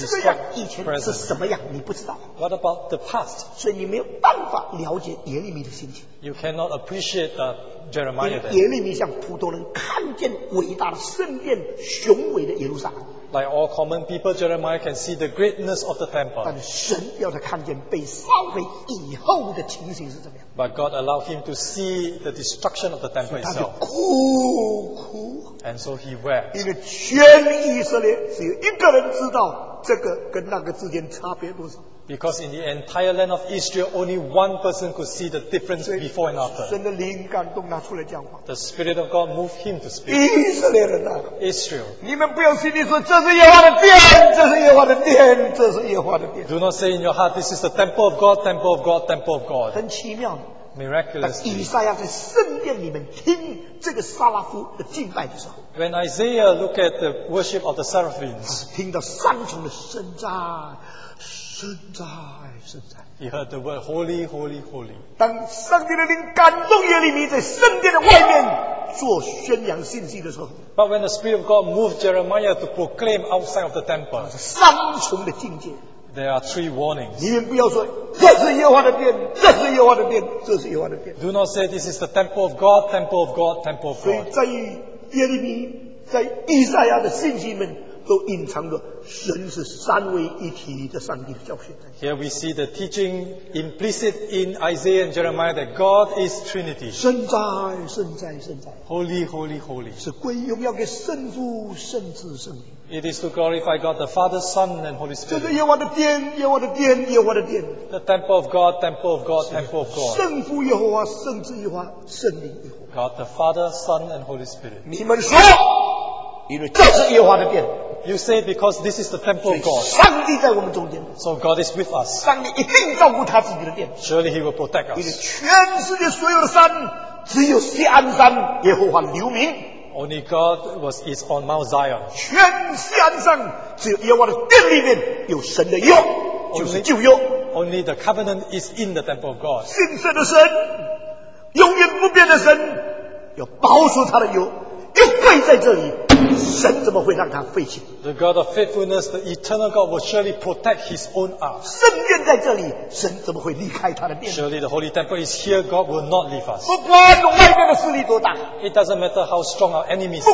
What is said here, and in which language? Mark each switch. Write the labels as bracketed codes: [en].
[zh] 这个样以前是什么样，你不知道。 [en] What about the past? [zh] 所以你没有办法了解耶利米的心情。 [en] You cannot appreciate the Jeremiah then. [zh] 耶利米像普通人看见伟大的圣殿、雄伟的耶路撒冷。 [en] Like all common people, Jeremiah can see the greatness of the temple. [zh] 但神要他看见被烧毁以后的情形是怎么样。 [en] But God allowed him to see the destruction of the temple itself. [zh] 所以他就哭哭。 [en] And so he wept. [zh] 因为全以色列只有一个人知道这个跟那个之间差别多少。 [en] Because in the entire land of Israel, only one person could see the difference before and after. [zh] 神的灵感动他出来讲话。 [en] The Spirit of God moved him to speak. [zh] 以色列人啊 [en] ，Israel， [zh] 你们不要心里说这是耶和华的殿，这是耶和华的殿，这是耶和华的殿。 [en] Do not say in your heart, this is the temple of God, temple of God, temple of God. [zh] 很奇妙。 [en] Miraculous. [zh] 以赛亚在圣殿里面听这个撒拉夫的敬拜的时候。 [en] When Isaiah looked at the worship of the seraphims, [zh] 听到三重的声赞。圣哉，圣哉。 [en] He heard the word holy, holy, holy. [zh] 当上帝的灵感动耶利米在圣殿的外面做宣扬信息的时候。 [en] But when the Spirit of God moved Jeremiah to proclaim outside of the temple, [zh] 三重的境界。 [en] There are three warnings. [zh] 你们不要说这是耶和华的殿，这是耶和华的殿，这是耶和华的殿。 [en] Do not say this is the temple of God, temple of God, temple of God. [zh] 所以在耶利米，在以赛亚的信息里面。都隐藏着神是三位一体的上帝的教训。 [en] Here we see the teaching implicit in Isaiah and Jeremiah that God is Trinity. [zh] 圣哉，圣哉，圣哉。 [en] Holy, holy, holy. [zh] 是归荣耀给圣父、圣子、圣灵。 [en] It is to glorify God, the Father, Son, and Holy Spirit. [zh] 这是耶和华的殿，耶和华的殿，耶和华的殿。 [en] The temple of God, temple of God, temple of God. [zh] 圣父耶和华，圣子耶和华，圣灵耶和华。 [en] God, the Father, Son, and Holy Spirit. [zh] 你们说，因为这是耶和华的殿。 [en] You say because this is the temple of God. [zh] 上帝在我们中间。 [en] So God is with us. [zh] 上帝一定照顾他自己的殿。 [en] Surely He will protect us. [zh] 因为全世界所有的山，只有锡安山耶和华留名。 [en] Only God was is on Mount Zion. [zh] 全锡安山只有耶和华的殿里面有神的约，就是旧约。 [en] Only the covenant is in the temple of God. [zh] 信实的神，永远不变的神，要保守他的约，又跪在这里。神怎么会让他废弃 [en] ？The God of faithfulness, the eternal God, will surely protect His own ark. [zh] 圣殿在这里，神怎么会离开他的殿 [en] ？Surely the holy temple is here. God will not leave us. [zh] 不管外面的势力多大 [en] ，It doesn't matter how strong our enemies are.